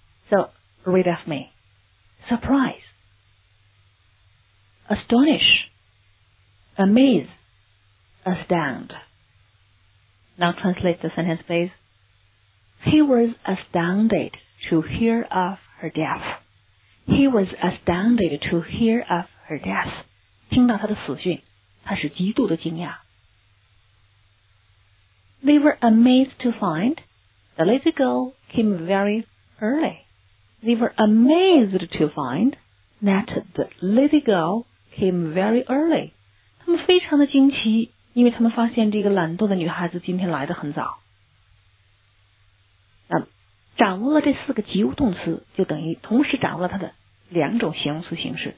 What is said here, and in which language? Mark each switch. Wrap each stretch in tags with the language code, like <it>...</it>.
<en>So, read with me. Surprise, astonish, amaze, astound. Now translate the sentence, please. He was astounded to hear of her death. He was astounded to hear of her death.</en> <zh>听到他的死讯，他是极度的惊讶。</zh> <en>They were amazed to find the little girl came very early. They were amazed to find that the little girl came very early.</en> <zh>他们非常的惊奇，因为他们发现这个懒惰的女孩子今天来得很早。那掌握了这四个及物动词，就等于同时掌握了它的两种形容词形式。</zh>